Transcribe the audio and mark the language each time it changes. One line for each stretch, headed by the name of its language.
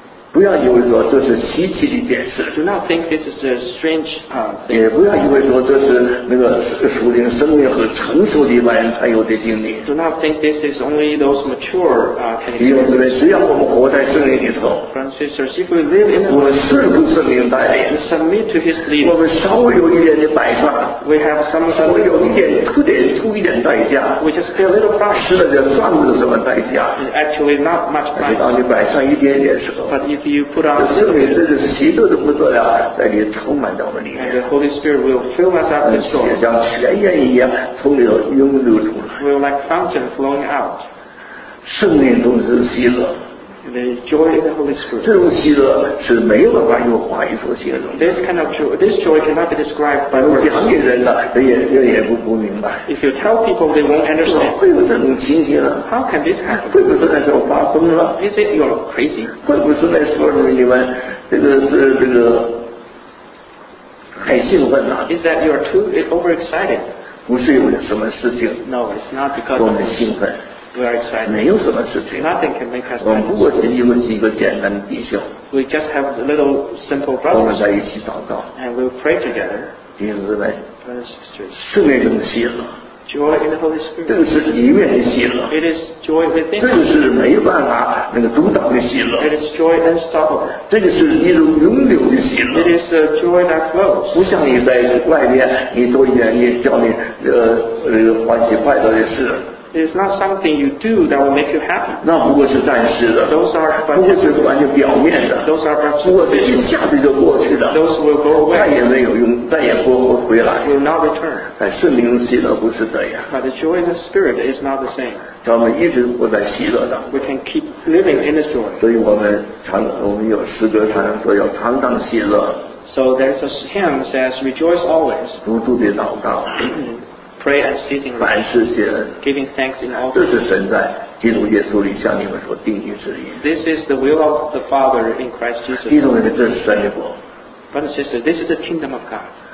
Chinese: 不要以为说这是稀奇的一件事。
English: Do not think this is a strange thing.
Chinese: 也不要以为说这是那个属灵生命和成熟的一般人才有的经历。
English: Do not think this is only those mature can experience.
Chinese: 弟兄姊妹，只要我们活在圣灵里头，
English: Brothers, sisters, if we live in the world,
Chinese: 我们顺服圣灵带领，
English: submit to His leading,
Chinese: 我们稍微有一点的摆上，
English: we have some,
Chinese: 稍微有一点出点出一点代价，
English: we just pay a little price.
Chinese: 吃了就算不了什么代价，
English: actually not much price.
Chinese: 当你摆上一点点的时候。
English: If you put on the Holy Spirit will fill us up with joy. Will like fountain flowing out. The joy of the Holy Spirit.
Chinese: 这种喜乐是没有办法用话语所形容。
English: This kind of joy, this joy cannot be described by words.
Chinese: 讲给人呢，人也不明白。
English: If you tell people, they won't understand.
Chinese: 怎么会有这种情形呢
English: ？How can this happen?
Chinese: 会不会在说发疯了
English: ？Is it you're crazy?
Chinese: 会不会在说你们这个太兴奋了
English: ？Is that you're too overexcited?
Chinese: 不是有什么事情。
English: No, it's not because.
Chinese: 多么兴奋。
English: We are excited.
Chinese: 没有什么事情。
English: Nothing can make us.
Chinese: 我们不过是因为几个简单的弟兄。
English: We just have a little simple brothers.
Chinese: 我们在一起祷告。
English: And we'll pray together.
Chinese: 弟兄姊妹。
English: Brothers and sisters.
Chinese: 圣灵的喜乐。
English: joy in the Holy Spirit. It is joy within.
Chinese: 这个是没办法那个阻挡的喜乐。
English: It is joy unstoppable.
Chinese: 这个是一种永久的喜乐。
English: It is a joy that flows.
Chinese: 不像你在外面，你做一点，你叫你欢喜快乐的事。
English: It is not something you do that will make you happy.
Chinese: 那不过是暂时的。
English: Those are but
Chinese: 不过是完全表面的。
English: Those are but
Chinese: 不过是一下子就过去的。
English: Those will go away.
Chinese: 再也没有用，再也不会回来。
English: Will not return.
Chinese: 在圣灵的喜乐不是这样。
English: But the joy of the Spirit is not the same.
Chinese: 叫我们一直活在喜乐的。
English: We can keep living in His joy.
Chinese: 所以我们有诗歌常常说要常常喜乐。
English: So there's a hymn that says, "Rejoice always."
Chinese: 不住的祷告。
English: Pray and sitting right, giving thanks in all.
Chinese: 这是神在基督耶稣里向你们所定义之意。
English: This is the will of the Father in Christ Jesus.
Chinese: 基督里面这是神的国。
English: But sister, this is the kingdom of God.